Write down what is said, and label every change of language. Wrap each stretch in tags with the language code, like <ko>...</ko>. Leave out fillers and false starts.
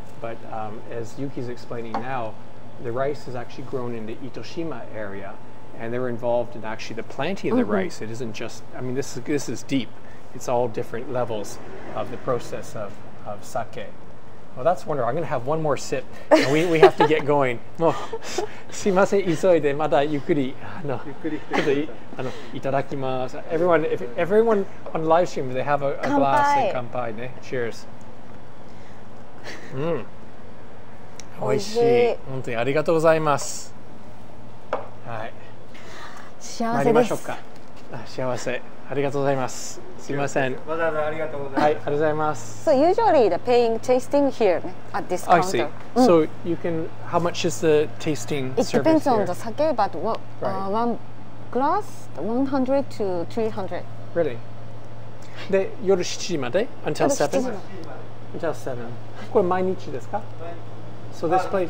<en>But as Yuki's explaining now, the rice is actually grown in the Itoshima area and they're involved in actually the planting of the rice. It isn't just, I mean, this is deep. It's all different levels of the process of sake. Well, that's wonderful. I'm going to have one more sip. We have to get going.</en> <ja>もうすいません、急いでまたゆっくりちょっといただきます。</ja> <en>Everyone, if everyone on live stream, they have a glass and</en> <ja>乾杯ね。</ja> <en>Cheers.</en> <ja>おいしい。本当にありがとうございます。はい。幸せです。参りましょうか。幸せ。ありがとうございます。すいません。わざわざありがとうございます。はい、ありがとうございます。</ja> <en>So usually the paying tasting here at this counter. I see. So you can, how much is the tasting service here? It depends on the sake, but one glass, 100 to 300. Really?</en> <ja>で、夜7時まで?</ja> <en>Until 7? Until 7.</en> <ja>これ毎日ですか?</ja> <en>So this place,</en>